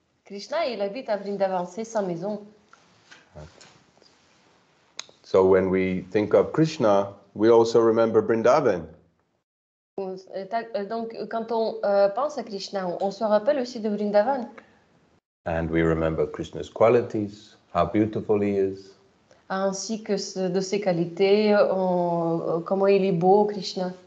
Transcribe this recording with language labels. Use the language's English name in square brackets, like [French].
[French] Krishna, il habite à Vrindavan, c'est sa maison. [English] So when we think of Krishna, we also remember Vrindavan. [French] Donc quand on pense à Krishna, on se rappelle aussi de Vrindavan. [English] And we remember Krishna's qualities, how beautiful he is. [French] Ainsi que de ses qualités, comment il est beau, Krishna.